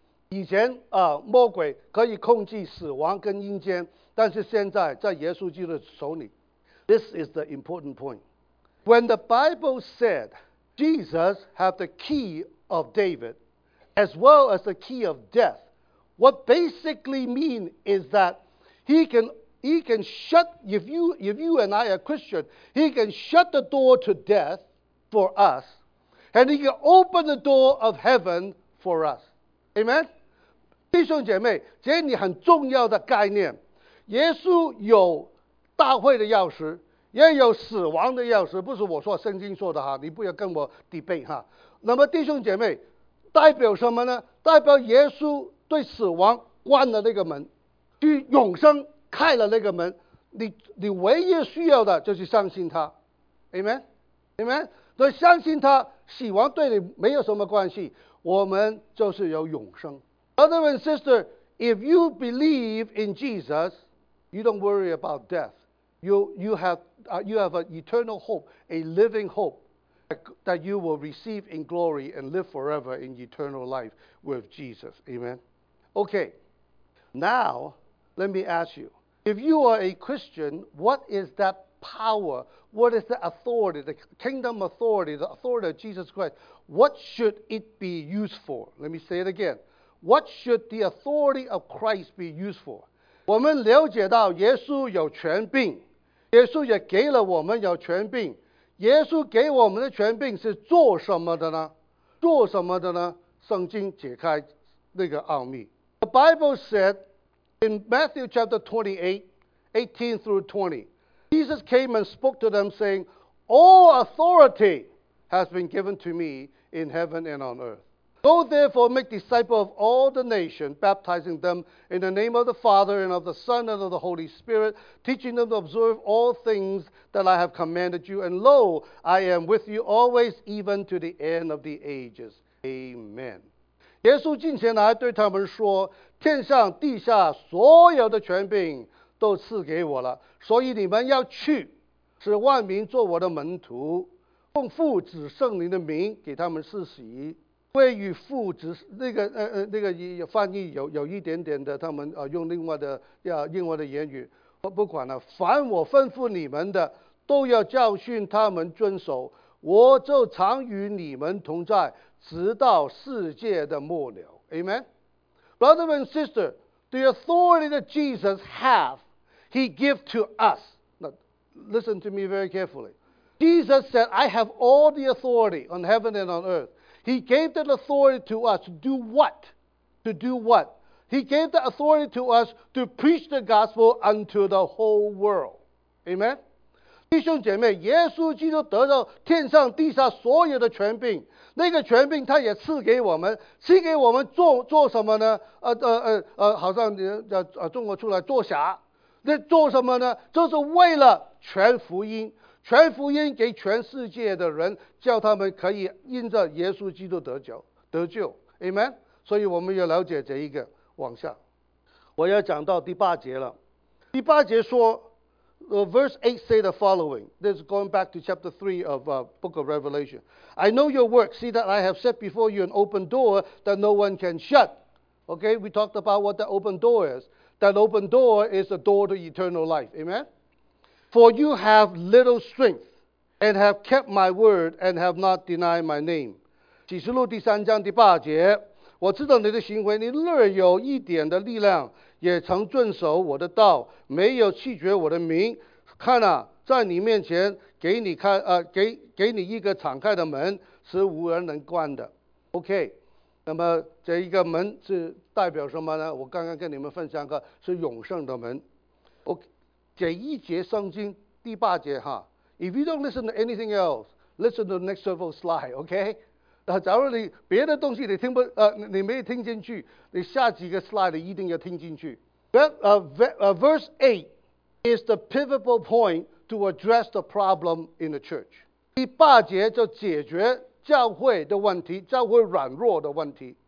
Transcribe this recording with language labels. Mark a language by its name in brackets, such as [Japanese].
[Chinese] 以前，魔鬼可以控制死亡跟阴间，但是现在在耶稣基督手里。 [English] This is the important point. When the Bible said Jesus had the key of David, as well as the key of death,What basically mean is that he can shut, if you and I are Christian, he can shut the door to death for us, and he can open the door of heaven for us. Amen? [Chinese] 弟兄姐妹，这是你很重要的概念。耶稣有大会的钥匙，也有死亡的钥匙，不是我说，圣经说的哈，你不要跟我 debate 哈。那么弟兄姐妹，代表什么呢？代表耶稣对死亡关了那个门。对永生开了那个门，你唯一需要的就是相信他。 [English] Amen? Amen? [Chinese] 所以相信他，死亡对你没有什么关系，我们就是有永生。 [English] Brother and sister, if you believe in Jesus, you don't worry about death. You have an eternal hope, a living hope, that you will receive in glory and live forever in eternal life with Jesus. Amen? Okay, now let me ask you, if you are a Christian, what is that power? What is the authority, the kingdom authority, the authority of Jesus Christ? What should it be used for? Let me say it again. What should the authority of Christ be used for? [Chinese] 我们了解到耶稣有权柄，耶稣也给了我们有权柄。耶稣给我们的权柄是做什么的呢？做什么的呢？圣经解开那个奥秘。 [English] The Bible said in Matthew chapter 28:18-20, Jesus came and spoke to them saying, All authority has been given to me in heaven and on earth. Go therefore make disciples of all the nations, baptizing them in the name of the Father and of the Son and of the Holy Spirit, teaching them to observe all things that I have commanded you. And lo, I am with you always, even to the end of the ages. Amen. [Chinese] 耶稣近前来对他们说，天上地下所有的权柄都赐给我了，所以你们要去，使万民做我的门徒，奉父子圣灵的名给他们施洗。为与父子那个翻译有一点点的，他们用另外的另外的言语，不管了，凡我吩咐你们的，都要教训他们遵守。我就常与你们同在，直到世界的末了。 [English] Amen. Brother and sister, the authority that Jesus have, He give to us. Now, listen to me very carefully. Jesus said, I have all the authority on heaven and on earth. He gave that authority to us to do what? To do what? He gave the authority to us to preach the gospel unto the whole world. Amen? [Chinese] 弟兄姐妹，耶稣基督得到天上地下所有的权柄，那个权柄他也赐给我们，赐给我们做什么呢？好像中国出来做侠，那做什么呢？就是为了传福音。全福音给全世界的人，叫他们可以因着耶稣基督得救。 [English] Amen? [Chinese] 所以我们要了解这一个。往下我要讲到第八节了。第八节说 [English] Verse 8 say the following. This is going back to chapter 3 of book of Revelation. I know your work. See that I have set before you an open door that no one can shut. Okay, we talked about what the open door is. That open door is a door to eternal life. Amen? For you have little strength, and have kept my word, and have not denied my name. [Chinese] 启示录第三章第八节，我知道你的行为，你略有一点的力量，也曾遵守我的道，没有弃绝我的名。看啊，在你面前给你开给你一个敞开的门，是无人能关的。 OK， 那么这一个门是代表什么呢？我刚刚跟你们分享过，是永生的门。 [English] OK。 [Chinese] 这一节圣经第八节哈 [English] ，If you don't listen to anything else, listen to the next several slide, okay? [Chinese] 假如你别的东西你听不你没听进去，你下几个 slide 你一定要听进去。 [English] Verse 8 is the pivotal point to address the problem in the church. [Chinese] 第八节就解决教会的问题，教会软弱的问题。